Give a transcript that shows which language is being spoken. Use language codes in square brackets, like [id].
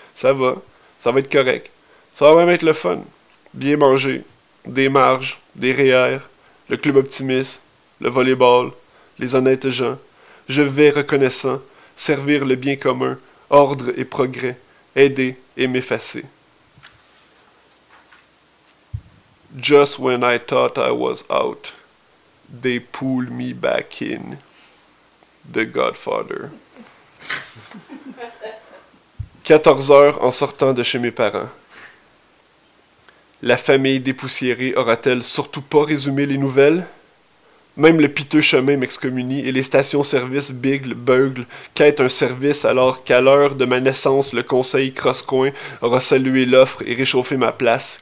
[fr] Ça va être correct. Ça va même être le fun. Bien manger, des marges. Des REER, le club optimiste, le volleyball, les honnêtes gens. Je vais reconnaissant servir le bien commun, ordre et progrès, aider et m'effacer. [en] Just when I thought I was out, they pulled me back in. The Godfather. [fr] 14 heures en sortant de chez mes parents. La famille dépoussiérée aura-t-elle surtout pas résumé les nouvelles? Même le piteux chemin m'excommunie et les stations-service bigle, beugle, quête un service alors qu'à l'heure de ma naissance, le conseil cross-coin aura salué l'offre et réchauffé ma place.